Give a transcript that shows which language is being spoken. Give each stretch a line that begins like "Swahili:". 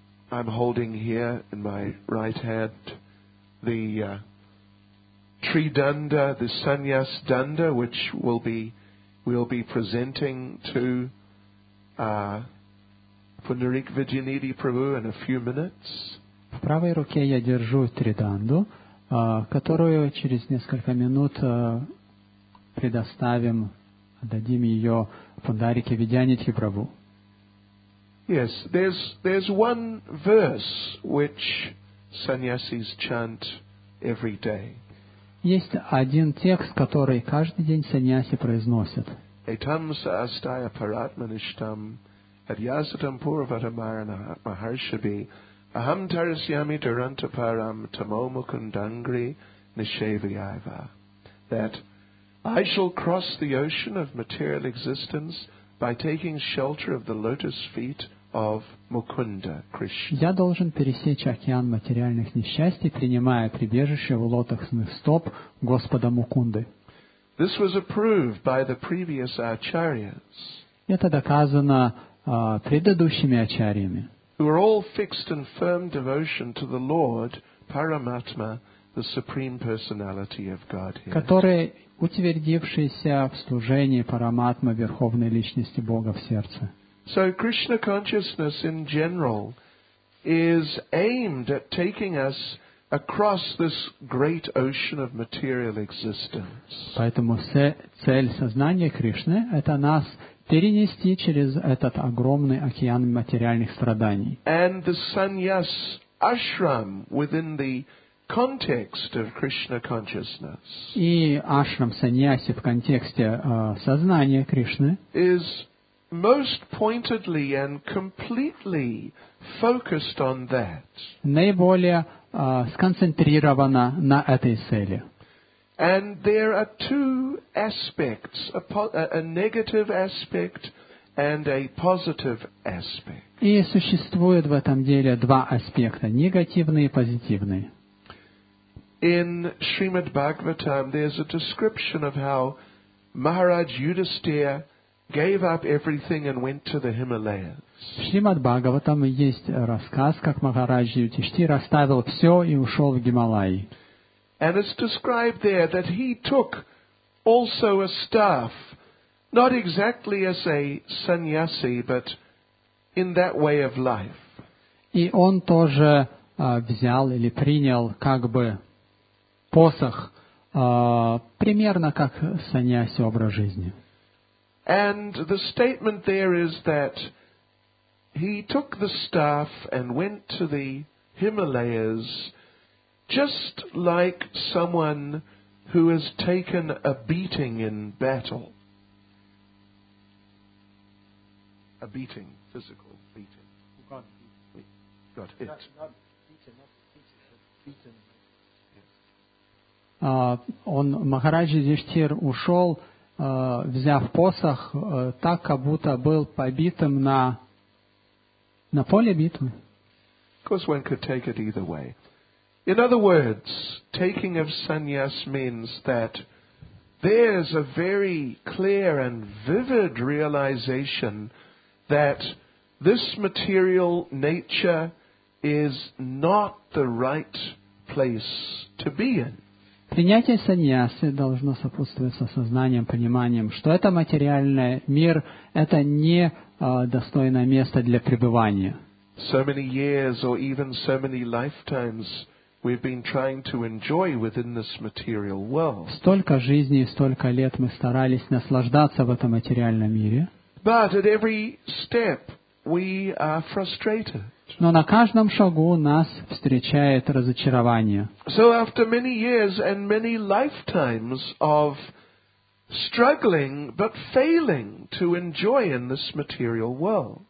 English: I'm holding here in my right hand the Tridanda, the Sannyas Danda, which we'll be presenting to Pundarik Vidyanidhi Prabhu in a few minutes.
Russian: В правой руке я держу триданду, которую через несколько минут предоставим, отдадим ее Пундарике Видьянидхи Прабху.
English: Yes, there's one verse which sannyasis chant every day.
Russian: Есть один текст, который каждый день саньяси произносят.
Sanskrit: Etam saastaya paratmanishtam adyasatam purvatamarana maharshabhi aham tarasyami durantaparam tamomukundangri nishevayava.
English: That I shall cross the ocean of material existence by taking shelter of the lotus feet of Mukunda Krishna.
Russian: Я должен пересечь океан материальных несчастий, принимая прибежище в лотосных стоп Господа Мукунды.
English: This was approved by the previous acharyas.
Russian: Это доказано предыдущими ачарьями.
English: Who are all fixed in firm devotion to the Lord Paramatma, the Supreme Personality of Godhead.
Russian: Которые утвердившиеся в служении Параматмы, верховной личности Бога в сердце.
English: So Krishna consciousness in general is aimed at taking us across this great ocean of material existence.
Russian: Поэтому цель сознания Кришны — это нас перенести через этот огромный океан материальных страданий.
English: And the sannyas ashram within the context of Krishna consciousness.
Russian: И ашрам саньяси в контексте сознания Кришны.
English: Is most pointedly and completely focused on that.
Russian: Наиболее сконцентрировано на этой цели.
English: And there are two aspects, a negative aspect and a positive aspect.
Russian: И существует в этом деле два аспекта, негативный и позитивный.
English: In Srimad Bhagavatam there's a description of how Maharaj Yudhisthira gave up everything and went to the Himalayas.
Russian: В Шримад Бхагаватам есть рассказ, как Махарадж Юдхиштхира оставил все и ушел в Гималаи.
English: And it's described there that he took also a staff, not exactly as a sannyasi, but in that way of life.
Russian: И он тоже взял или принял как бы посох, примерно как сannyasi образ жизни.
English: And the statement there is that he took the staff and went to the Himalayas just like someone who has taken a beating in battle. A beating, physical beating. Got hit. Not beaten, not beaten.
Russian: Он, Махараджи Диштир, ушел, взяв посох, так, как будто был побитым на поле битвы.
English: Of course, one could take it either way. In other words, taking of sannyas means that there's a very clear and vivid realization that this material nature is not the right place to be in.
Russian: Принятие саньясы должно сопутствовать с осознанием, пониманием, что это материальный мир, это не достойное место для пребывания.
English: So many years or even so many lifetimes we've been trying to enjoy within this material world.
Russian: Столько жизней, столько лет мы старались наслаждаться в этом материальном мире.
English: But at every step we are frustrated.
Russian: Но на каждом шагу нас встречает разочарование.
English: So after many years and many lifetimes of struggling but failing to enjoy in this material world.